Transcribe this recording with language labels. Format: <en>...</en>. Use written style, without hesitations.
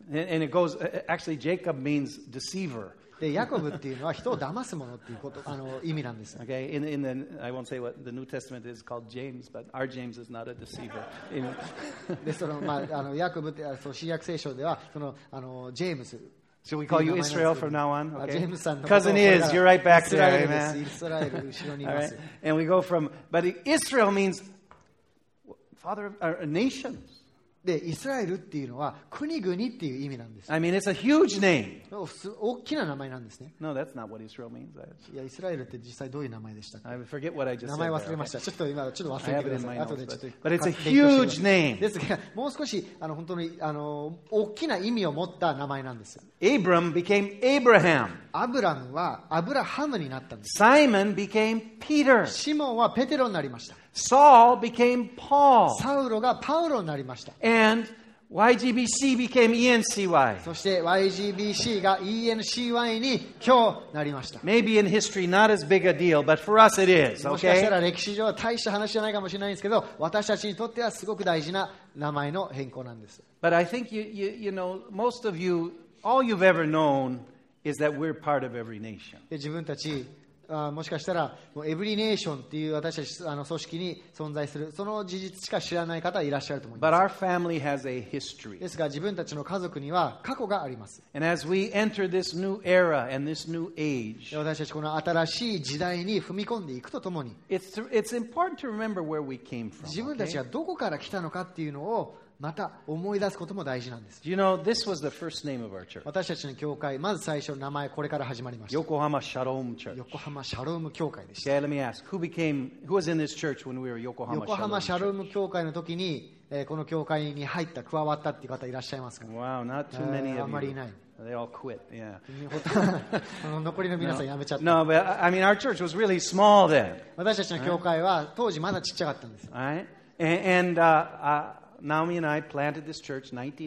<en>And it goes, actually, Jacob means deceiver.</en> <ja>で、ヤコブっていうのは人を騙すものっていうこと、意味なんです。</ja> <en>Okay, in the, I won't say what the New Testament is called James, but our James is not a deceiver.</en> <ja>で、その、まあ、ヤコブって、その新約聖書では、その、ジェームズ。</ja> <en>So we call you Israel from now on? Okay. Cousin is, you're right back there, amen. Israel, Israel, right. And we go from, but Israel means father of our nations.</en> <ja>でイスラエルっていうのは国々っていう意味なんです。</ja> <en>I mean, it's a huge name.</en> <ja>大きな名前なんですね。</ja> <en>No, that's not what Israel means.</en> <ja>いや、イスラエルって実際どういう名前でしたか。</ja> <en>I forget what I just said.</en> <ja>名前忘れました。ちょっと今ちょっと忘れてください。後でちょっと。</ja> <en>But it's a huge name.</en> <ja>ですが、もう少し本当に大きな意味を持った名前なんです。</ja> <en>Abram became Abraham.</en> <ja>アブラムはアブラハムになったんです。</ja> <en>Simon became Peter.</en> <ja>シモンはペテロになりました。</ja> <en>Saul became Paul.</en> <ja>サウロがパウロになりました。</ja> <en>And YGBC became ENCY.</en> <ja>そして YGBC が ENCY に今日なりました。</ja> <en>Maybe in history not as big a deal, but for us it is.</en> <ja>もしかしたら歴史上は大した話じゃないかもしれないんですけど、私たちにとってはすごく大事な名前の変更なんです。</ja> <en>But I think you know, most of you, all you've ever known is that we're part of every nation.</en> <ja>で、自分たちもしかしたらエブリネーションっていう私たち組織に存在するその事実しか知らない方いらっしゃると思います。</ja> <en>But our family has a history.</en> <ja>ですが自分たちの家族には過去があります。</ja> <en>And as we enter this new era and this new age,</en> <ja>私たちこの新しい時代に踏み込んでいくとともに、</ja> <en>It's important to remember where we came from.</en> <ja>自分たちがどこから来たのかっていうのをまた思い出すことも大事なんです。</ja> <en>You know, this was the first name of our church.</en> <ja>私たちの教会、まず最初の名前これから始まりました。横浜シャローム church. 横浜シャローム教会でした。</ja> <en>Okay, let me ask, who became, who was in this church when we were</en> <ja>横浜シャローム教会の時に、この教会に入った、加わったっていう方いらっしゃいますか</ja> <en>？Wow, not too many of you.</en> <ja>あまりいない。</ja> <en>They all quit. Yeah.</en> <ja>残りの皆さんやめちゃった。</ja> <en>No, but I mean, our church was really small then.</en> <ja>私たちの教会は当時まだちっちゃかったんです。</ja> <en>Right? And Naomi and I planted this church in</en>